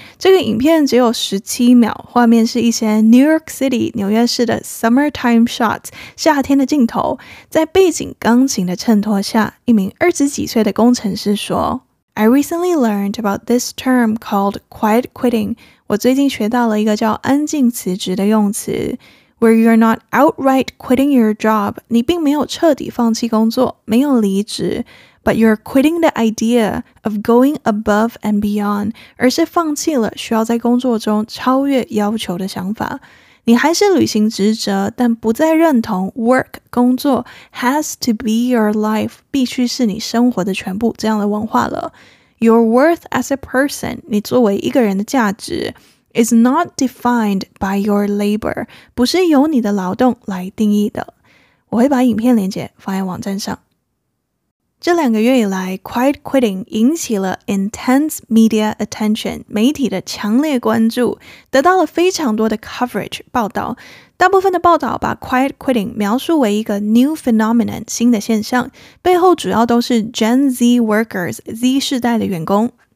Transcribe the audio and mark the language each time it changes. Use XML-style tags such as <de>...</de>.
<zh>这个影片只有17秒，画面是一些 New York City 纽约市的 summertime shots 夏天的镜头。在背景钢琴的衬托下，一名二十几岁的工程师说</zh> <en>I recently learned about this term called quiet quitting.</en> <zh>我最近学到了一个叫安静辞职的用词。</zh> <en>Where you're not outright quitting your job,</en> <zh>你并没有彻底放弃工作，没有离职</zh> <en>but you're quitting the idea of going above and beyond,</en> <zh>而是放弃了需要在工作中超越要求的想法。你还是履行职责，但不再认同 work, 工作</zh> <en>has to be your life,</en> <zh>必须是你生活的全部这样的文化了。</zh> <en>Your worth as a person,</en> <zh>你作为一个人的价值</zh> <en>is not defined by your labor,</en> <zh>不是由你的劳动来定义的。我会把影片连结放在网站上。这两个月以来 quiet quitting 引起了</zh> <en>intense media attention,</en> <zh>媒体的强烈关注，得到了非常多的 coverage, 报道。大部分的报道把 quiet quitting 描述为一个 new phenomenon, 新的现象，背后主要都是 Gen Z workers, Z 世代的员工。</zh>